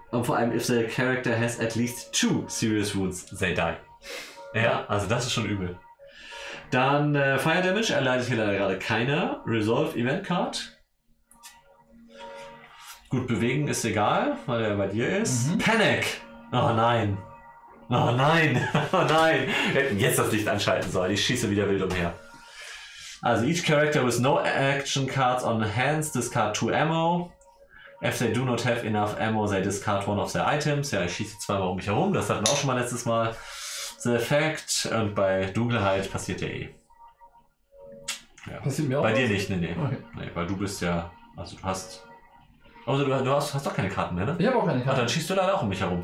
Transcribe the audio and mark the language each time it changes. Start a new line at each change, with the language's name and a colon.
German: Und vor allem,
English: if the character has at least two serious wounds, they die.
German: Ja, also das ist schon übel. Dann Fire Damage erleidet hier leider gerade keiner. Resolve Event Card. Gut, bewegen ist egal, weil er bei dir ist. Mhm. Panic! Oh nein! Oh nein! Oh nein! Wir hätten jetzt das Licht anschalten sollen. Ich schieße wieder wild umher. Also,
English: each character with no action cards on hands discard two ammo. If they do not have enough ammo, they discard one of their items.
German: Ja, ich schieße zweimal um mich herum. Das hatten wir auch schon mal letztes Mal.
English: The effect.
German: Und bei Dunkelheit passiert ja eh. Ja. Passiert mir auch. Bei dir nicht, nee. Okay. Nee, weil du bist ja. Also, du hast. Also, du hast doch keine Karten mehr, ne? Ich habe auch keine Karten. Ach, dann schießt du leider auch um mich herum.